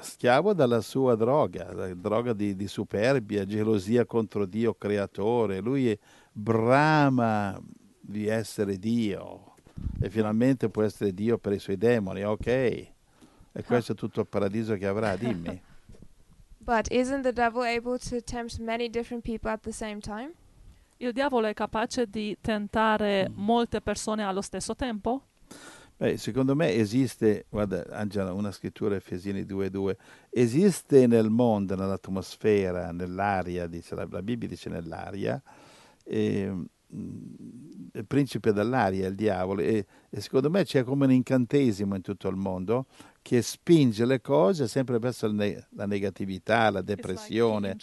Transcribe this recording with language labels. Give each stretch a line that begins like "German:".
Italian: Schiavo della sua droga, la droga di superbia, gelosia contro Dio creatore. Lui brama di essere Dio e finalmente può essere Dio per i suoi demoni, ok? E questo è tutto il paradiso che avrà, dimmi.
English: But isn't the devil able to tempt many different people at the same time?
Italian: Il diavolo è capace di tentare molte persone allo stesso tempo? Beh, secondo me esiste, guarda Angela, una scrittura Efesini 2:2, esiste nel mondo, nell'atmosfera, nell'aria, dice la Bibbia dice nell'aria, il principe dell'aria è il diavolo, e secondo me c'è come un incantesimo in tutto il mondo che spinge le cose sempre verso la negatività, la depressione,